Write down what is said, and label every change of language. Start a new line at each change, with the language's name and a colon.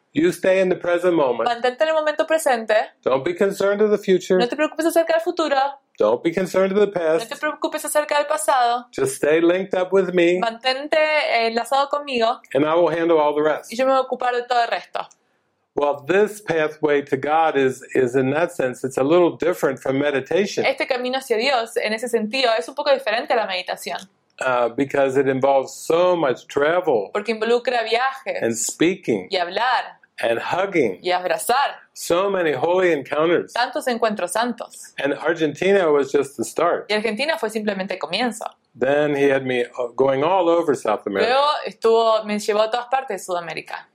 English: You stay in the present moment.
Spanish: Mantente en el momento presente.
English: Don't be concerned of the future.
Spanish: No te preocupes acerca del futuro.
English: Don't be concerned of the past.
Spanish: No te preocupes acerca del pasado.
English: Just stay linked up with me.
Spanish: Mantente enlazado conmigo.
English: And I will handle all the rest.
Spanish: Y yo me voy a ocupar de todo el resto.
English: Well, this pathway to God is in that sense, it's a little different from meditation.
Spanish: Este camino hacia Dios, en ese sentido, es un poco diferente a la meditación.
English: Because it involves so much travel.
Spanish: Porque involucra viajes.
English: And speaking.
Spanish: Y hablar.
English: And hugging.
Spanish: Y abrazar.
English: So many holy encounters.
Spanish: Tantos encuentros santos.
English: And Argentina was just the start.
Spanish: Y Argentina fue simplemente el comienzo.
English: Then he had me going all over South America.
Spanish: Luego estuvo, me llevó a todas partes de Sudamérica.